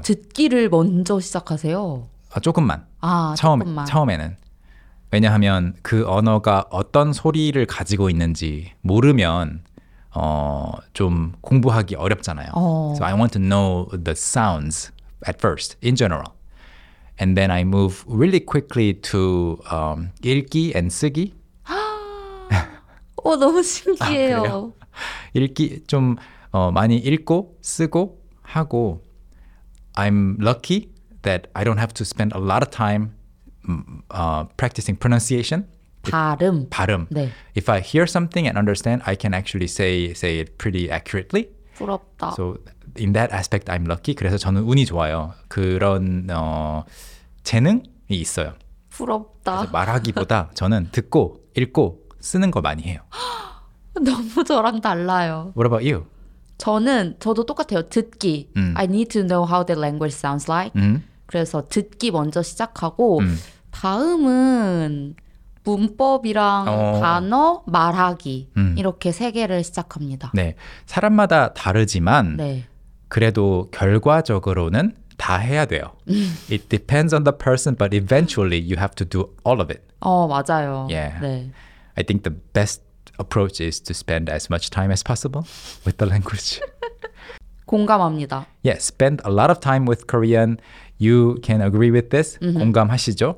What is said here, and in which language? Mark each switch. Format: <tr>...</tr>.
<ko>듣기를 먼저 시작하세요? 조금만. 아, 조금만. 처음에는. 왜냐하면 그 언어가 어떤 소리를 가지고 있는지 모르면 좀 공부하기 어렵잖아요.</ko> <en>So I want to know the sounds at first, in general. And then I move really quickly to 읽기 and 쓰기.</en> <ko>너무 신기해요. 읽기 좀 많이 읽고 쓰고 하고</ko> <en>I'm lucky that I don't have to spend a lot of time practicing pronunciation.</en> <ko>발음. 발음. 네.</ko> <en>If I hear something and understand, I can actually say it pretty accurately.</en> <ko>부럽다.</ko> <en>So in that aspect, I'm lucky.</en> <ko>그래서 저는 운이 좋아요. 그런 재능이 있어요. 부럽다. 그래서 말하기보다 저는 듣고 읽고 쓰는 거 많이 해요. 너무 저랑 달라요.</ko> <en>What about you?</en> <ko>저는 저도 똑같아요. 듣기.</ko> <en>I need to know how the language sounds like.</en> <ko>그래서 듣기 먼저 시작하고 다음은 문법이랑 단어, 말하기 이렇게 세 개를 시작합니다. 네, 사람마다 다르지만 네. 그래도 결과적으로는 다 해야 돼요.</ko> <en>It depends on the person, but eventually you have to do all of it.</en> <ko>맞아요.</ko> <en>Yeah.</en> <ko>네.</ko> <en>I think the best approach is to spend as much time as possible with the language.</en> <ko>공감합니다.</ko> <en>Yeah, spend a lot of time with Korean. You can agree with this. Mm-hmm.</en> <ko>공감하시죠?</ko>